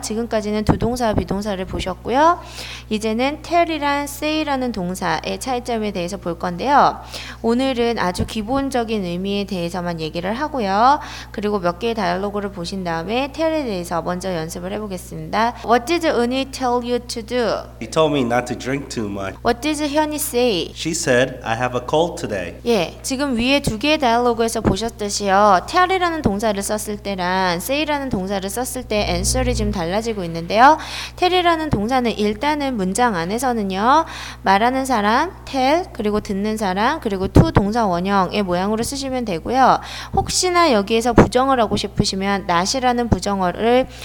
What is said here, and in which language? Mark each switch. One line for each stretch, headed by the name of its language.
Korean: 지금까지는 두 동사, 비동사를 보셨고요. 이제는 tell이랑 say라는 동사의 차이점에 대해서 볼 건데요. 오늘은 아주 기본적인 의미에 대해서만 얘기를 하고요. 그리고 몇 개의 다이얼로그를 보신 다음에 tell에 대해서 먼저 연습을 해보겠습니다.
English: What did Eunhee tell you to do? He told me not to drink too much. What did Hyunhee say? She said, I have a cold today.
Korean: 예, 지금 위에 두 개의 다이얼로그에서 보셨듯이요. tell이라는 동사를 썼을 때랑 say라는 동사를 썼을 때 answer이 지금 달라지고 있는데요. tell이라는 동사는 일단은 문장 안에서는요. 말하는 사람, tell, 그리고 듣는 사람, 그리고 to 동사 원형의 모양으로 쓰시면 되고요. 혹시나 여기에서 부정을 하고 싶으시면 not이라는 부정어를